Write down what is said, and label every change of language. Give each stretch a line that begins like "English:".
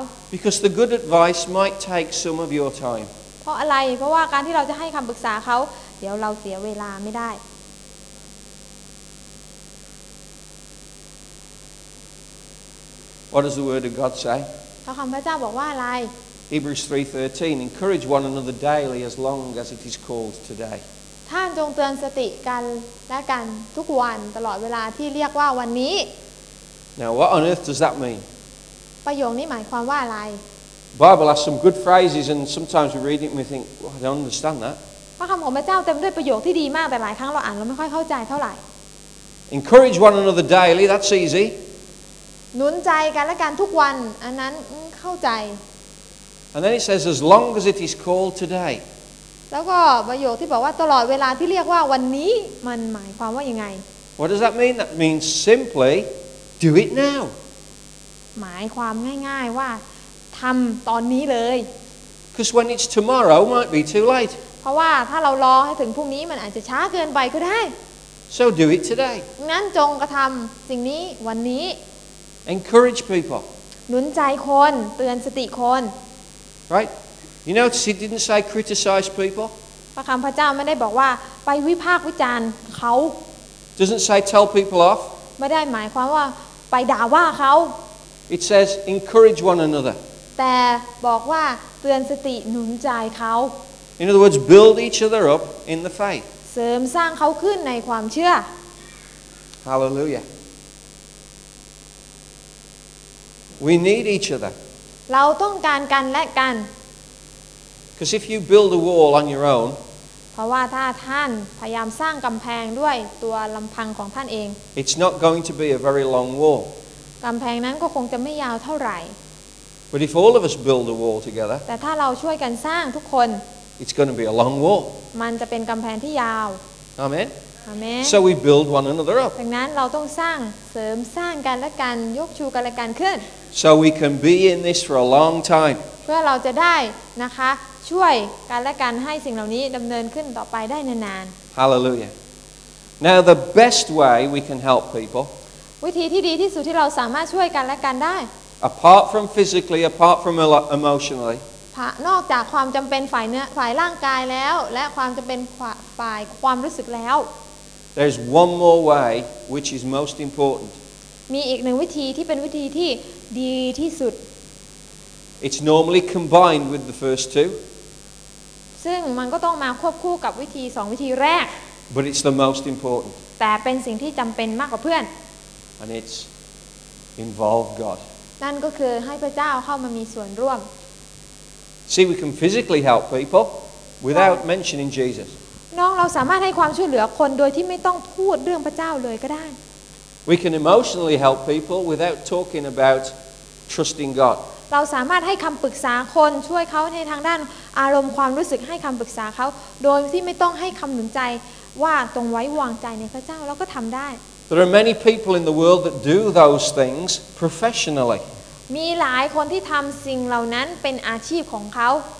English: Because the good advice might take some of your time.
Thai: เพราะอะไรเพราะว่าการที่เราจะให้คำปรึกษาเขาเดี๋ยวเราเสียเวลาไม่ได้
English: What does the word of God say?
Thai: พระคำพระเจ้าบอกว่าอะไร
English: Hebrews 3:13 Encourage one another daily as long as it is called today
Thai: ท่านจงเตือนสติกันและกันทุกวันตลอดเวลาที่เรียกว่าวันนี้
English: Now what on earth does that mean?
Thai: ประโยคนี้หมายความว่าอะไร
English: Bible has some good phrases, and sometimes we read it and we think, well, I don't understand that.
Thai: พระคำของพระเจ้าเต็มด้วยประโยคที่ดีมากแต่หลายครั้งเราอ่านเราไม่ค่อยเข้าใจเท่าไหร่
English: Encourage one another daily. That's easy.
Thai: หนุนใจกันและกันทุกวันอันนั้นเข้าใจ
English: And then it says, as long as it is called today.
Thai: แล้วก็ประโยคที่บอกว่าตลอดเวลาที่เรียกว่าวันนี้มันหมายความว่ายังไง
English: What does that mean? That means simply, do it now.
Thai: หมายความง่ายๆว่าทำตอนนี้เลย
English: Because when it's tomorrow might be too late
Thai: เพราะว่าถ้าเรารอให้ถึงพรุ่งนี้มันอาจจะช้าเกินไปก็ได้
English: So do it today
Thai: งั้นจงกระทำสิ่งนี้วันนี้
English: Encourage people
Thai: หนุนใจคนเตือนสติคน
English: Right You know he didn't say criticize people
Thai: พระคำพระเจ้าไม่ได้บอกว่าไปวิพากษ์วิจารณ์เขา
English: Doesn't say tell people off
Thai: ไม่ได้หมายความว่าไปด่าว่าเขา
English: It says encourage one another
Thai: แต่บอกว่าเตือนสติหนุนใจเขา
English: In other words build each other up in the faith
Thai: เสริมสร้างเขาขึ้นในความเชื่อ
English: Hallelujah We need each other
Thai: เราต้องการกันและกัน
English: Because if you build a wall on your own
Thai: เพราะว่าถ้าท่านพยายามสร้างกำแพงด้วยตัวลำพังของท่านเอง
English: It's not going to be a very long wall
Thai: กำแพงนั้นก็คงจะไม่ยาวเท่าไหร่
English: But if all of us build a wall together,
Thai: แต่ถ้าเราช่วยกันสร้างทุกคน
English: it's going to be a long wall.
Thai: มันจะเป็นกำแพงที่ยาว
English: Amen. Amen. So we build one another up.
Thai: ดังนั้นเราต้องสร้างเสริมสร้างกันและกันยกชูกันและกันขึ้น
English: So we can be in this for a long time.
Thai: เพื่อเราจะได้นะคะช่วยกันและกันให้สิ่งเหล่านี้ดำเนินขึ้นต่อไปได้นาน
English: Hallelujah. Now the best way we can help people.
Thai: วิธีที่ดีที่สุดที่เราสามารถช่วยกันและกันได้
English: Apart from physically, apart from emotionally,
Thai: นอกจากความจำเป็นฝ่ายเนื้อฝ่ายร่างกายแล้วและความจำเป็นฝ่ายความรู้สึกแล้ว
English: There's one more way, which is most important.
Thai: มีอีกหนึ่งวิธีที่เป็นวิธีที่ดีที่สุด
English: It's normally combined with the first two.
Thai: ซึ่งมันก็ต้องมาควบคู่กับวิธีสองวิธีแรก
English: But it's the most important.
Thai: แต่เป็นสิ่งที่จำเป็นมากกว่าเพื่อน
English: And it's involve God.
Thai: นั่นก็คือให้พระเจ้าเข้ามามีส่วนร่วม
English: See we can physically help people without mentioning Jesus
Thai: น้องเราสามารถให้ความช่วยเหลือคนโดยที่ไม่ต้องพูดเรื่องพระเจ้าเลยก็ได้
English: We can emotionally help people without talking about trusting God
Thai: เราสามารถให้คำปรึกษาคนช่วยเขาในทางด้านอารมณ์ความรู้สึกให้คำปรึกษาเขาโดยที่ไม่ต้องให้คำหนุนใจว่าต้องไว้วางใจในพระเจ้าเราก็ทำได้
English: There are many people in the world that do those things professionally.
Thai: มีหลายคนที่ทำสิ่งเหล่านั้นเป็นอาชีพของเขา